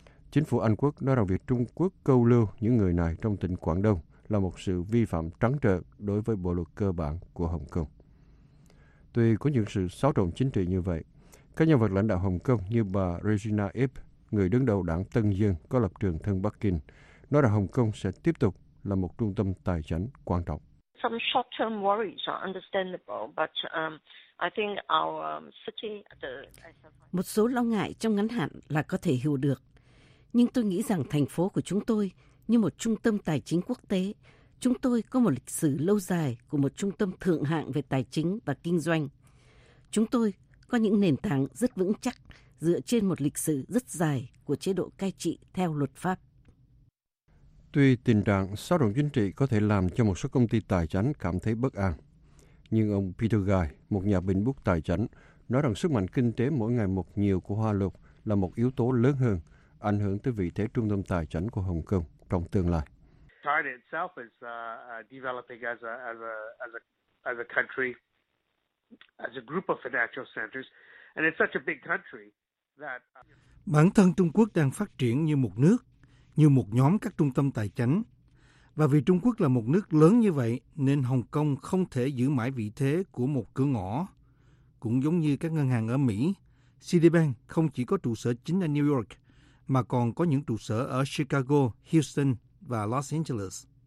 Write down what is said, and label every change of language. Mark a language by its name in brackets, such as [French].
[Vietnamese] Chính phủ Anh Quốc nói rằng việc Trung Quốc câu lưu những người này trong tỉnh Quảng Đông là một sự vi phạm trắng trợn đối với bộ luật cơ bản của Hồng Kông. Tuy có những sự xáo trộn chính trị như vậy, các nhân vật lãnh đạo Hồng Kông như bà Regina Ip, người đứng đầu đảng Tân Dân có lập trường thân Bắc Kinh, nói rằng Hồng Kông sẽ tiếp tục là một trung tâm tài chính quan trọng. [English] some short-term worries are understandable, but I think our city, [Vietnamese] Một số lo ngại trong ngắn hạn là có thể hiểu được, nhưng tôi nghĩ rằng thành phố của chúng tôi như một trung tâm tài chính quốc tế, chúng tôi có một lịch sử lâu dài của một trung tâm thượng hạng về tài chính và kinh doanh. Chúng tôi có những nền tảng rất vững chắc dựa trên một lịch sử rất dài của chế độ cai trị theo luật pháp. Tuy tình trạng xáo động chính trị có thể làm cho một số công ty tài chính cảm thấy bất an, nhưng ông Peter Guy, một nhà bình bút tài chính, nói rằng sức mạnh kinh tế mỗi ngày một nhiều của Hoa Lục là một yếu tố lớn hơn, ảnh hưởng tới vị thế trung tâm tài chính của Hồng Kông trong tương lai. [English] China itself is developing as a country, as a group of financial centers, and it's such a big country that. [Vietnamese] Bản thân Trung Quốc đang phát triển như một nước, như một nhóm các trung tâm tài chính, và vì Trung Quốc là một nước lớn như vậy, nên Hồng Kông không thể giữ mãi vị thế của một cửa ngõ. Cũng giống như các ngân hàng ở Mỹ, Citibank không chỉ có trụ sở chính ở New York, mà còn có những trụ sở ở Chicago, Houston và Los Angeles.